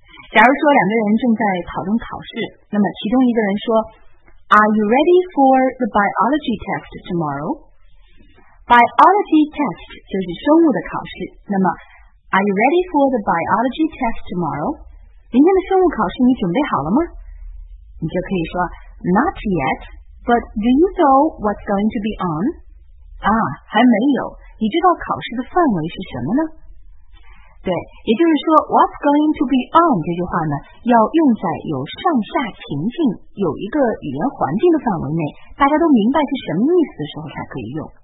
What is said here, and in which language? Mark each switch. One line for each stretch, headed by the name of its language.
Chinese: 假如说两个人正在讨论考试，那么其中一个人说
English: Are you ready for the biology test tomorrow? Biology test
Chinese: 就是生物的考试。那么
English: Are you ready for the biology test tomorrow?
Chinese: 明天的生物考试你准备好了吗？你就可以说
English: Not yet, but do you know what's going to be on?
Chinese: 啊，还没有，你知道考试的范围是什么呢？对，也就是说
English: What's going to be on
Chinese: 这句话呢，要用在有上下情境、有一个语言环境的范围内，大家都明白是什么意思的时候才可以用。